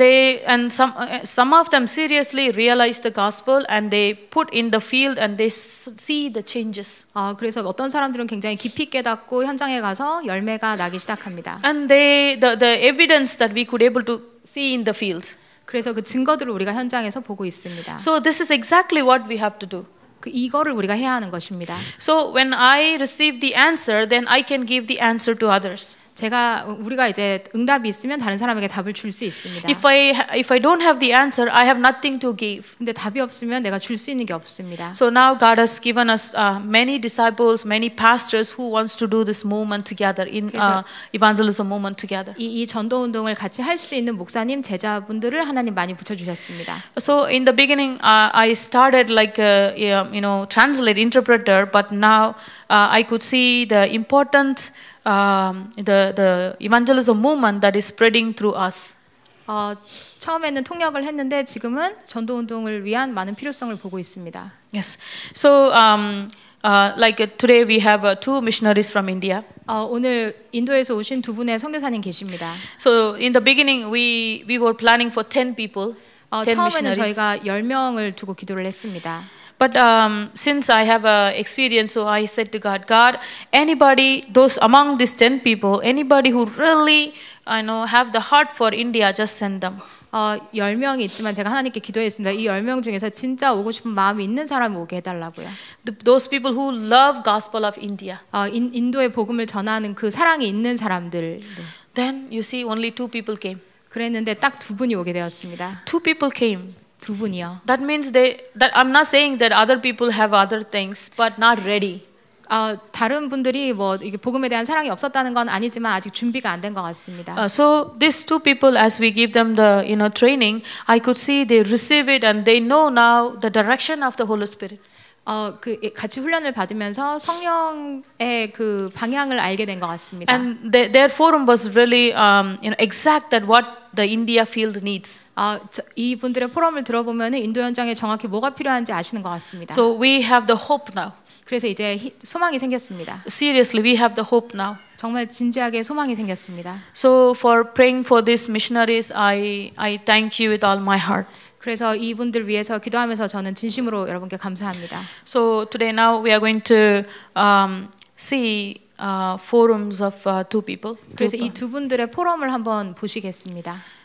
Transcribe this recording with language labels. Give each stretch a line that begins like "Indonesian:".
English: And some of them seriously realize the gospel and they put in the field and they see the changes.
Korean: 그래서 어떤 사람들은 굉장히 깊이 깨닫고 현장에 가서 열매가 나기 시작합니다.
English: And the evidence that we could able to see in the field.
Korean: 그래서 그 증거들을 우리가 현장에서 보고 있습니다.
English: So this is exactly what we have to do.
Korean: 이거를 우리가 해야 하는 것입니다.
English: So when I receive the answer, then I can give the answer to others.
Korean: 우리가 이제 응답이 있으면 다른 사람에게 답을 줄 수 있습니다.
English: If I don't have the answer, I have nothing to give.
Korean: 근데 답이 없으면 내가 줄 수 있는 게 없습니다.
English: So now God has given us many disciples, many pastors who wants to do this movement together in evangelism movement together.
Korean: 이 전도 운동을 같이 할 수 있는 목사님 제자분들을 하나님 많이 붙여 주셨습니다.
English: So in the beginning I started like translate interpreter, but now I could see the importance the evangelism movement that is spreading through us.
Korean: 처음에는 통역을 했는데 지금은 전도 운동을 위한 많은 필요성을 보고 있습니다.
English: Yes. So like today we have two missionaries from India.
Korean: 오늘 인도에서 오신 두 분의 선교사님 계십니다.
English: So in the beginning we were planning for 10 people.
Korean: 처음에는 저희가 10명을 두고 기도를 했습니다.
English: But since I have an experience, so I said to God, God, anybody, those among these 10 people, anybody who really, I know, have the heart for India, just send them.
Korean: 10명이 있지만 제가 하나님께 기도했습니다. 이 10명 중에서 진짜 오고 싶은 마음이 있는 사람이 오게 해달라고요.
English: Those people who love gospel of India.
Korean: 인도의 복음을 전하는 그 사랑이 있는 사람들.
English: Then you see only two people came.
Korean: 그랬는데 딱 두 분이 오게 되었습니다.
English: Two people came.
Korean: 두 분이요.
English: That means that I'm not saying that other people have other things, but not ready.
Korean: 다른 분들이 뭐 이게 복음에 대한 사랑이 없었다는 건 아니지만 아직 준비가 안 된 것 같습니다.
English: So these two people, as we give them the you know training, I could see they receive it and they know now the direction of the Holy Spirit.
Korean: 그 같이 훈련을 받으면서 성령의 그 방향을 알게 된 것 같습니다.
English: And their forum was really you know exact that what the India field needs.
Korean: 이 분들의 포럼을 들어보면은 인도 현장에 정확히 뭐가 필요한지 아시는 것 같습니다.
English: So we have the hope now.
Korean: 그래서 이제 소망이 생겼습니다.
English: Seriously, we have the hope now.
Korean: 정말 진지하게 소망이 생겼습니다.
English: So for praying for these missionaries, I thank you with all my heart.
Korean: 그래서 이 분들 위해서 기도하면서 저는 진심으로 여러분께 감사합니다.
English: So today now we are going to see. Forums of two people.
Korean: 그래서 이 두 분들의 포럼을 한번 보시겠습니다.